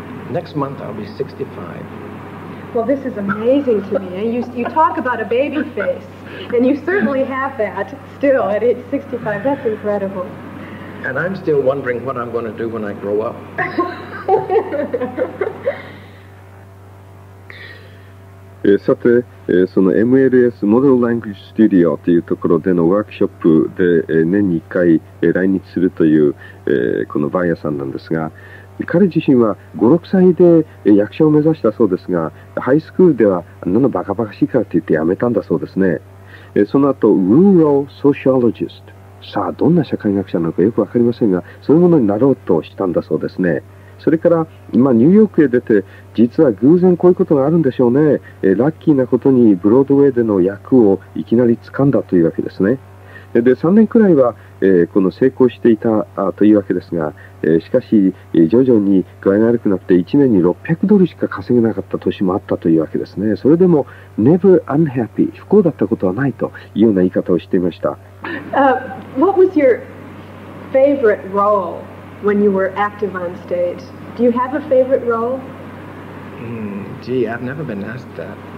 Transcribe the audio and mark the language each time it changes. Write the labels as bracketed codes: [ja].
[en] Next month I'll be 65. Well, this is amazing to me. And you talk about a baby face, and you certainly have that still at age 65. That's incredible. And I'm still wondering what I'm going to do when I grow up. [ja] さて、その MLS モデルラングジュスタディオというところでのワークショップで年に1回来日するというこのバイヤーさんなんですが、彼自身は5、6歳で役者を目指したそうですが、ハイスクールではあんなのバカバカしいからって言ってやめたんだそうですね。その後、 [en] Rural Sociologist、 [ja] さあどんな社会学者なのかよくわかりませんが、そういうものになろうとしたんだそうですね。それから、まあ、ニューヨークへ出て、実は偶然こういうことがあるんでしょうね。ラッキーなことにブロードウェイでの役をいきなり掴んだというわけですね。で3年くらいは、この成功していたというわけですが、しかし、徐々に具合が悪くなって1年に600ドルしか稼げなかった年もあったというわけですね。それでも、 [en] Never unhappy、 [ja] 不幸だったことはないというような言い方をしていました。 [en] What was your favorite role? When you were active on stage, do you have a favorite role? Gee, I've never been asked that.